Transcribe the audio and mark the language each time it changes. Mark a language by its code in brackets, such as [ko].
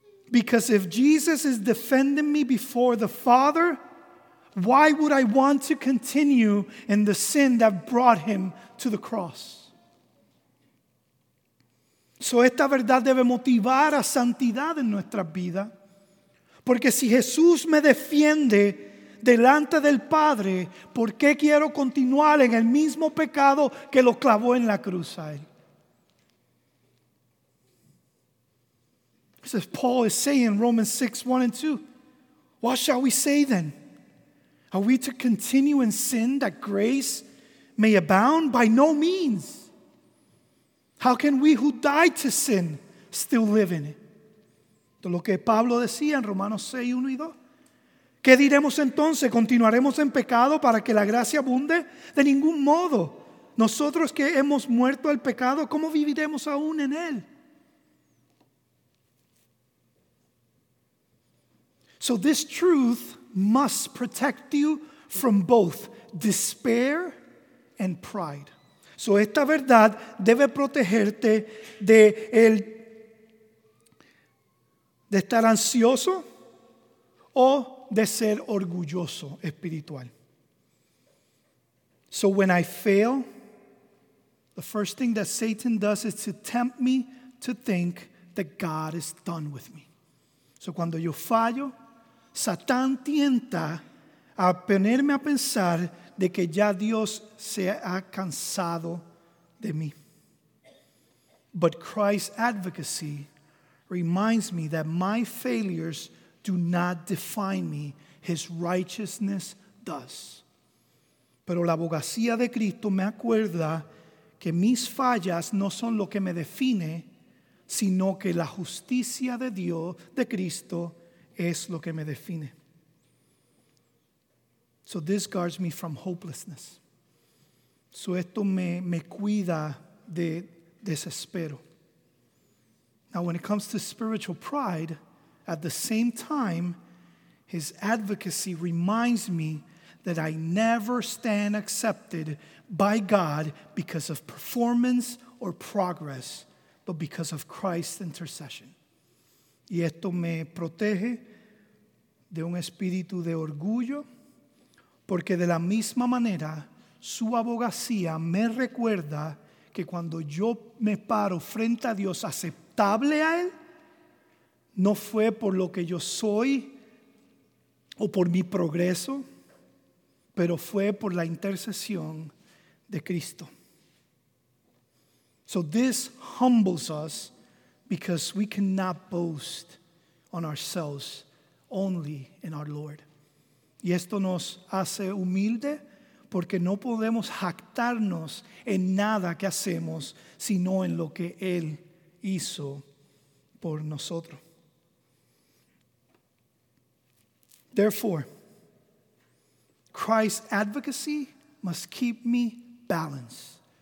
[en] Because if Jesus is defending me before the Father, why would I want to continue in the sin that brought him to the cross? [es] So esta verdad debe motivar a santidad en nuestras vidas. Porque si Jesús me defiende delante del Padre, ¿por qué quiero continuar en el mismo pecado que lo clavó en la cruz a él? [en] This is Paul is saying in Romans 6, 1 and 2. What shall we say then? Are we to continue in sin that grace may abound? By no means. How can we who died to sin still live in it? [es] De lo que Pablo decía en Romanos 6, 1 y 2. ¿Qué diremos entonces? ¿Continuaremos en pecado para que la gracia abunde? De ningún modo. Nosotros que hemos muerto al pecado, ¿cómo viviremos aún en él? [en] So this truth must protect you from both despair and pride. [es] So esta verdad debe protegerte de el de estar ansioso o de ser orgulloso espiritual. [en] So when I fail, the first thing that Satan does is to tempt me to think that God is done with me. [es] So cuando yo fallo, Satán tienta a ponerme a pensar de que ya Dios se ha cansado de mí. [en] But Christ's advocacy reminds me that my failures do not define me. His righteousness does. [es] Pero la abogacía de Cristo me acuerda que mis fallas no son lo que me define, sino que la justicia de Dios, de Cristo, es lo que me define. [en] So this guards me from hopelessness. [es] So esto me cuida de desespero. [en] Now when it comes to spiritual pride, at the same time, his advocacy reminds me that I never stand accepted by God because of performance or progress, but because of Christ's intercession. [es] Y esto me protege de un espíritu de orgullo, porque de la misma manera, su abogacía me recuerda que cuando yo me paro frente a Dios aceptable a Él, no fue por lo que yo soy o por mi progreso, pero fue por la intercesión de Cristo. [en] So this humbles us because we cannot boast on ourselves, only in our Lord. [es] Y esto nos hace humilde porque no podemos jactarnos en nada que hacemos sino en lo que Él hizo por nosotros. [en] Therefore, Christ's advocacy must keep me balanced.